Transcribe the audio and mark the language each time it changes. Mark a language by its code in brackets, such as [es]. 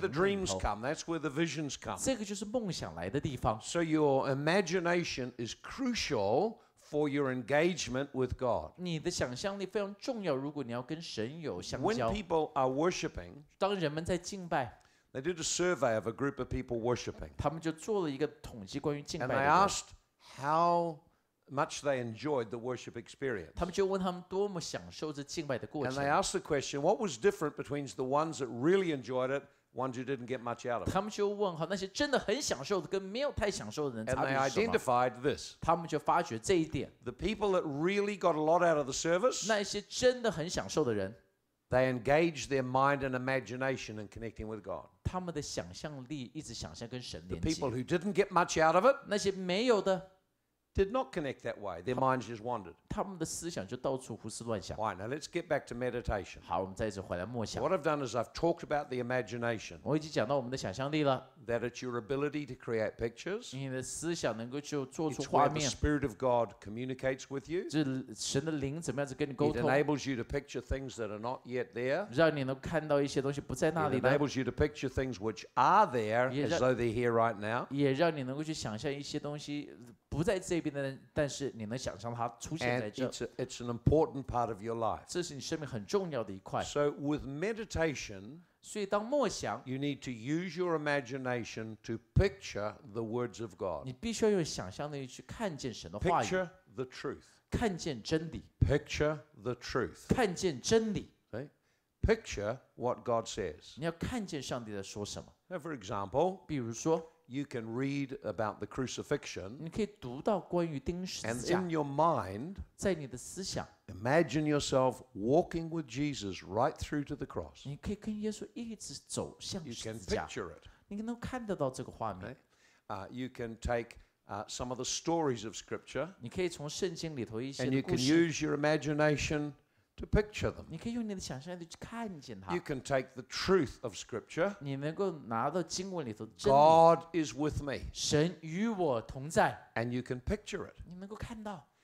[en] 头。That's where the dreams come. That's where the visions come. [zh] 这个就是梦想来的地方。 [en] So your imagination is crucial for your engagement with God. [zh] 你的想象力非常重要。如果你要跟神有相 [en] 交。When people are worshiping, [zh] 当人们在敬拜。 [en] They did a survey of a group of people worshiping. [zh] 他们就做了一个统计关于敬拜的。 [en] And they asked. How much they enjoyed the worship experience. [zh] 他们就问他们多么享受这敬拜的过程。 [en] And they asked the question, what was different between the ones that really enjoyed it, ones who didn't get much out of it? [zh] 他们就问那些真的很享受的跟没有太享受的人差别是什么。 [en] And they identified this. [zh] 他们就发觉这一点。 [en] The people that really got a lot out of the service, [zh] 那些真的很享受的人。 [en] They engage their mind and imagination in connecting with God. [zh] 他们的想象力一直想象跟神连接。 [en] The people who didn't get much out of it, [zh] 那些没有的。 [en] Did not connect that way. Their minds just wandered. [zh] 他们的思想就到处胡思乱想。 [en] Why? Now let's get back to meditation. [zh] 好，我们再次回来默想。 [en] What I've done is I've talked about the imagination. [zh] 我已经讲到我们的想象力了。 [en] That it's your ability to create pictures. [zh] 你的思想能够就做出画面。 [en] It's where the spirit of God communicates with you. [zh] 就是神的灵怎么样子跟你沟通。 [en] It enables you to picture things that are not yet there. [zh] 让你能看到一些东西不在那里的。 [en] It enables you to picture things which are there as though they're here right now. [zh] 也让你能够去想象一些东西。不在这边的人，但是你能想象它出现在这。 [en] And it's an important part of your life. [zh] 这是你生命很重要的一块。 [en] So with meditation, [zh] 所以当默想 [en] ，you need to use your imagination to picture the words of God. [zh] 你必须要用想象力去看见神的话语。 [en] Picture the truth. [zh] 看见真理。 [en] Picture the truth. [zh] 看见真理。 [en] Picture what God says. [zh] 你要看见上帝在说什么。 [en] Now for example, [zh] 比如说。 [en] You can read about the crucifixion. [zh] 你可以读到关于钉十字架。 [en] And in your mind, [zh] 在你的思想 [en] ，imagine yourself walking with Jesus right through to the cross. [zh] 你可以跟耶稣一直走向十字架。 [en] You can picture it. [zh] 你能看得到这个画面。 [en] Okay. You can take some of the stories of Scripture. [zh] 你可以从圣经里头一些故事。 [en] And you can use your imagination. To picture them. [zh] 你可以用你的想象力去看见它。 [en] You can take the truth of Scripture. [zh] 你能够拿到经文里头的真理。 [en] God is with me. [zh] 神与我同在。 [en] And you can picture it. [zh] 你能够看到。